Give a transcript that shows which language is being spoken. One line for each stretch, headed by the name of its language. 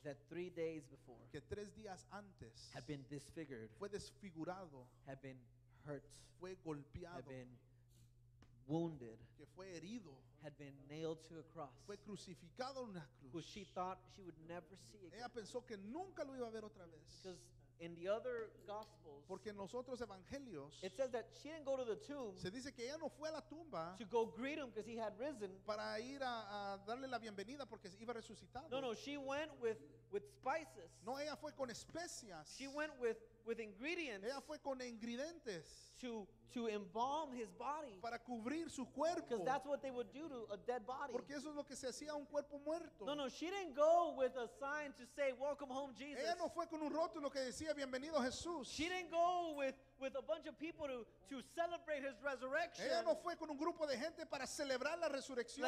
English: that 3 days before,
Spanish: que 3 días antes,
English: had been disfigured,
Spanish: fue desfigurado,
English: had been hurt,
Spanish: fue golpeado,
English: had been wounded,
Spanish: que fue herido,
English: had been nailed to a cross,
Spanish: fue crucificado en una cruz,
English: who she thought she would never see again.
Spanish: Ella pensó que nunca lo iba a ver otra vez.
English: Because in the other gospels,
Spanish: porque en los otros evangelios,
English: it says that she didn't go to the tomb,
Spanish: se dice que ella no fue a la tumba,
English: to go greet him because he had risen,
Spanish: para ir a darle la bienvenida porque iba resucitado.
English: No, she went with spices.
Spanish: No, ella fue con especias.
English: She went with ingredients.
Spanish: Ella fue con ingredientes.
English: To embalm his body.
Spanish: Para cubrir su cuerpo.
English: Because that's what they would do to a dead body.
Spanish: Porque eso es lo que se hacía a un cuerpo muerto.
English: No, she didn't go with a sign to say, "Welcome home, Jesus."
Spanish: Ella no fue con un rótulo que decía, "Bienvenido, Jesús."
English: She didn't go with a bunch of people to celebrate his resurrection.
Spanish: Ella no fue con un grupo de gente para celebrar la resurrección.